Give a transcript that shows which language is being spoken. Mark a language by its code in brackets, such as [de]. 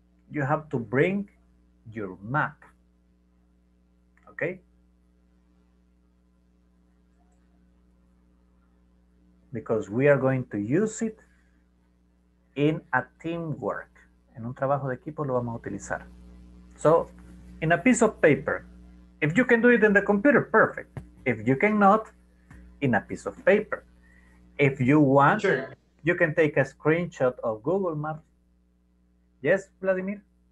[en] You have to bring your map. Okay? Because we are going to use it in a teamwork. [es] En un trabajo de equipo lo vamos a utilizar. [en] So, in a piece of paper, if you can do it in the computer, perfect. If you cannot, in a piece of paper. If you want, sure, you can take a screenshot of Google Maps. Yes, Vladimir?